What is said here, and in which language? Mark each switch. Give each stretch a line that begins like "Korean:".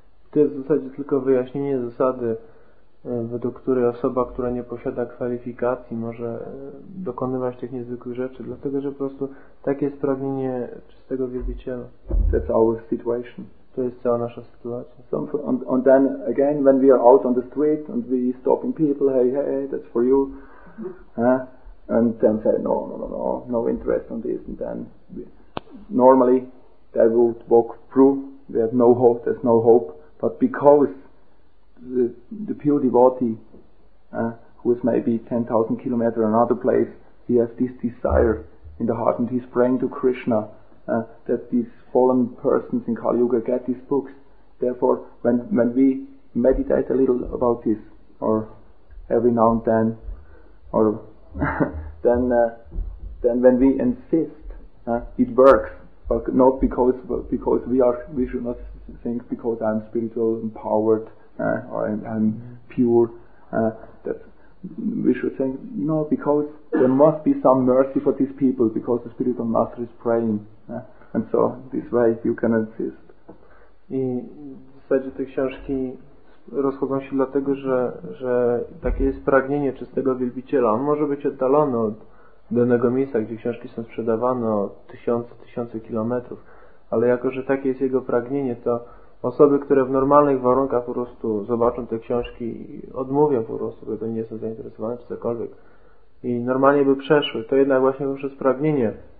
Polish: To jest w zasadzie tylko wyjaśnienie zasady, według której osoba, która nie posiada kwalifikacji, może dokonywać tych niezwykłych rzeczy, dlatego że po prostu takie jest pragnienie czystego wielbiciela.
English: That's our situation.
Polish: To jest cała nasza sytuacja.
English: So, and then again, when we are out on the street and we stopping people, hey, that's for you, and then say no interest on this, and then normally they would walk through. There's no hope, but because the pure devotee who is maybe 10,000 kilometers another place, he has this desire in the heart and he's praying to Krishna that these fallen persons in Kali Yuga get these books. Therefore, when we meditate a little about this, or every now and then, or then when we insist, it works, but not because we should not think because I'm spiritual, empowered, or I'm pure, that we should think, no, because there must be some mercy for these people, because the spiritual master is praying. And so, this way you can insist.
Polish: I w zasadzie te książki rozchodzą się dlatego, że takie jest pragnienie czystego wielbiciela. On może być oddalony od danego miejsca, gdzie książki są sprzedawane, o tysiące kilometrów, ale jako, że takie jest jego pragnienie, to osoby, które w normalnych warunkach po prostu zobaczą te książki i odmówią po prostu, bo to nie są zainteresowane czy cokolwiek i normalnie by przeszły, to jednak właśnie poprzez pragnienie